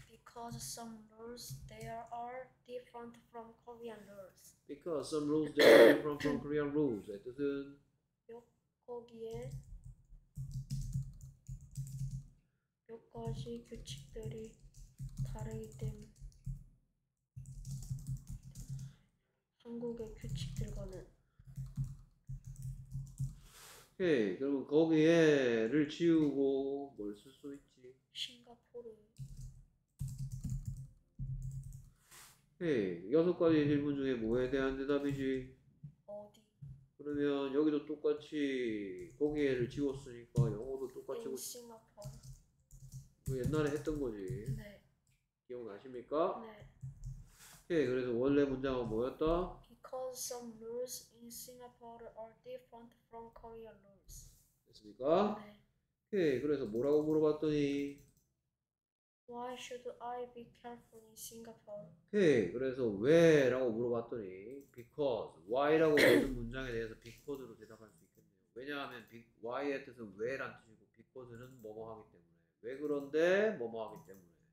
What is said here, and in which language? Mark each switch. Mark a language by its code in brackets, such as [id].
[en] Because some rules there are different from Korean rules. because some rules there are different from Korean rules. [ko] 뜻은 여기에 몇 가지 규칙들이 다르기 때문에 한국의 규칙들과는 오케이. 그러면 거기에를 지우고 뭘쓸수 있지? 오케이. 여섯 가지 질문 중에 뭐에 대한 대답이지? 그러면 여기도 똑같이 거기에를 지웠으니까 영어도 똑같이 [en] In [ko] 뭐 [en] Singapore. [ko] 옛날에 했던 거지. 네. 기억나십니까? 네. 예, 그래서 원래 문장은 뭐였다? [en] Because some rules in Singapore are different from Korean rules. [ko] 됐습니까? 네. 예, 그래서 뭐라고 물어봤더니 [en] Why should I be careful in Singapore? [ko] 예, 그래서 왜라고 물어봤더니 [en] because why [ko] 라고 모든 문장에 대해서 because로 대답할 수 있겠네요. 왜냐하면 why의 뜻은 왜란 뜻이고 because는 뭐뭐하기 때문에 왜 그런데 뭐뭐하기 때문에.